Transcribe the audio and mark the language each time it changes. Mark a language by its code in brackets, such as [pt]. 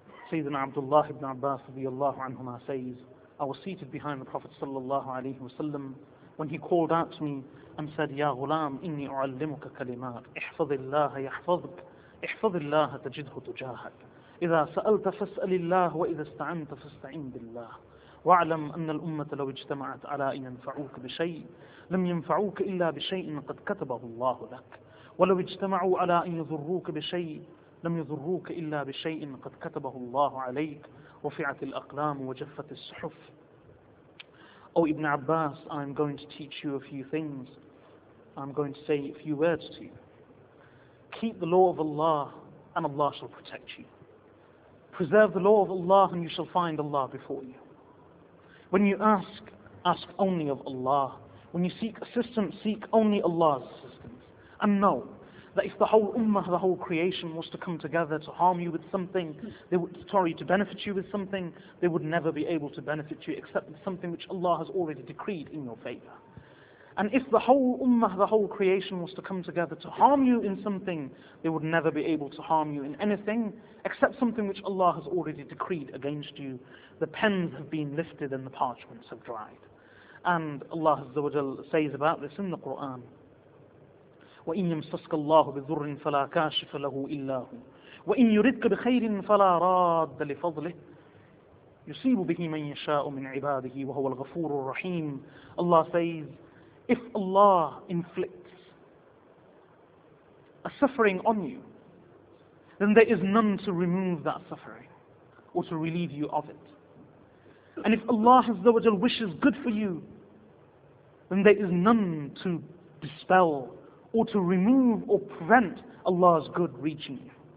[en] Sayyidina Abdullah ibn Abbas radiyallahu anhuma says, I was seated behind the Prophet sallallahu alayhi wa sallam when he called out to me and said, [ar] Ya ghulam, inni u'allimuka kalimat, ihfadillaha yahfadhuk, ihfadillaha tajidhu tujahak. إذا سألت فاسأل الله وإذا استعنت فاستعن بالله واعلم أن الأمة لو اجتمعت على أن ينفعوك بشيء لم ينفعوك إلا بشيء قد كتبه الله لك ولو اجتمعوا على أن يضروك بشيء لم يضروك إلا بشيء قد كتبه الله عليك وفعت الأقلام وجفت الصحف. أو ابن عباس, [en] I'm going to teach you a few things. I'm going to say a few words to you. Keep the law of Allah and Allah shall protect you. Preserve the law of Allah and you shall find Allah before you. When you ask, ask only of Allah. When you seek assistance, seek only Allah's assistance. And know that if the whole ummah, the whole creation was to come together to harm you with something, to benefit you with something, they would never be able to benefit you except with something which Allah has already decreed in your favor. And if the whole ummah, the whole creation was to come together to harm you in something, they would never be able to harm you in anything except something which Allah has already decreed against you. The pens have been lifted and the parchments have dried. And Allah Azza wa Jal says about this in the Quran, [ar] وَإِن يَمْسَسْكَ اللَّهُ بِذُرٍ فَلَا كَاشِفَ لَهُ إِلَّا هُ وَإِن يُرِدْكَ بِخَيْرٍ فَلَا رَادَّ لِفَضْلِهِ يُصِيبُ بِهِ مَنْ يَشَاءُ مِنْ عِبَادِهِ وَهُوَ الْغَفُورُ الرَّحِيمُ. [en] Allah says, if Allah inflicts a suffering on you, then there is none to remove that suffering or to relieve you of it. And if Allah Azza wa Jal wishes good for you, then there is none to dispel or to remove or prevent Allah's good reaching you.